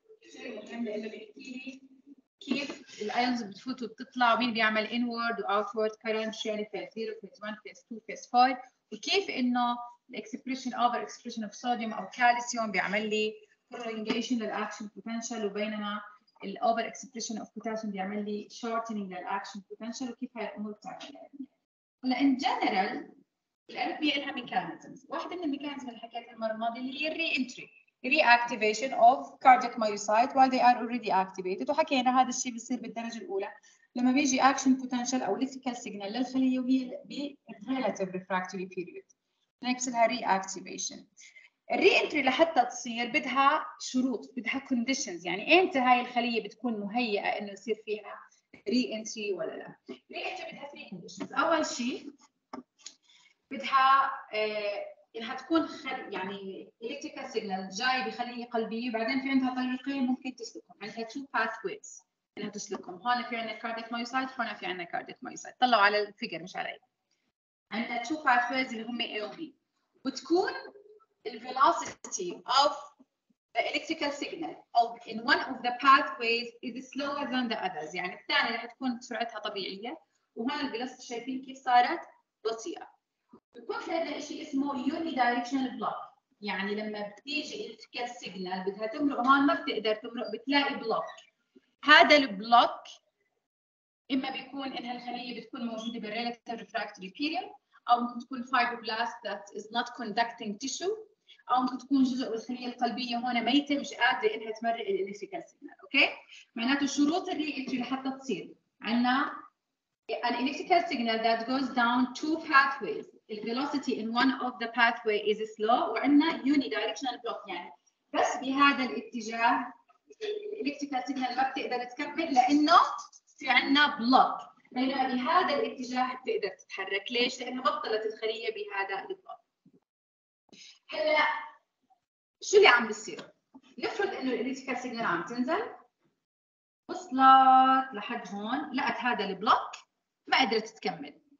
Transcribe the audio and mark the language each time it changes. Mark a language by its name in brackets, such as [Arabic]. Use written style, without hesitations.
[Arabic] كتير مهم لأنه بيحكي لي كيف الأيونز بتفوت وبتطلع ومين بيعمل inward و outward current يعني phase 0, phase 1, phase 2, phase 5 وكيف إنه expression over expression of sodium أو calcium بيعمل لي prolongation للأكشن بوتنشال وبينما ال over expression of potassium بيعمل لي shortening للأكشن بوتنشال وكيف هاي الأمور بتعمل. هلا in general الأرتمية لها ميكانيزمز. واحدة من الميكانيزم اللي حكيتها المرة الماضية اللي هي [English] re-entry reactivation of cardiac myocyte while they are already activated. [Arabic] وحكينا هذا الشيء بيصير بالدرجة الأولى لما بيجي action potential أو electrical signal للخلية وهي بـ relative refractory period. نكسلها reactivation. الreentry لحتى تصير بدها شروط، بدها conditions، يعني أنت هاي الخلية بتكون مهيئة إنه يصير فيها reentry ولا لا. [English] reentry [Arabic] بدها [English] three conditions. [Arabic] أول شيء بدها إنها تكون يعني electrical signal جاي بخلية قلبية بعدين في عندها طريقين ممكن تسلكهم، عندها two pathways إنها تسلكهم. هون في عندنا cardiac myocyte، هون في عندنا cardiac myocyte. طلعوا على الفيجر مش علي. عندها two pathways اللي هم A و B. وتكون [English] the velocity of the electrical signal of in one of the pathways is slower than the others. [Arabic] يعني الثانية إنها تكون سرعتها طبيعية وهون الجلس شايفين كيف صارت بطيئة. بيكون في هذا الشيء اسمه unidirectional block. يعني لما بتيجي electrical signal بدها تمرق هون ما بتقدر تمرق، بتلاقي block. هذا البلوك اما بيكون انها الخلية بتكون موجودة بالrelative refractory period او ممكن تكون [English] fibroblast that is not conducting tissue [Arabic] او ممكن تكون جزء من الخلية القلبية هون ميتة مش قادرة انها تمرق electrical signal. اوكي معناته شروط الريلتري لحتى تصير عندنا [English] an electrical signal that goes down two pathways. The velocity in one of the pathway is slow. [Arabic] وعندنا unidirectional block يعني بس بهذا الاتجاه electrical signal ما بتقدر تكمل لأنه في عندنا block. بينما بهذا الاتجاه بتقدر تتحرك. ليش؟ لأنه بطلت الخلية بهذا البلوك. هلا شو اللي عم بيصير؟ نفرض إنه electrical signal عم تنزل وصلت لحد هون لقت هذا البلوك ما قدرت تكمل.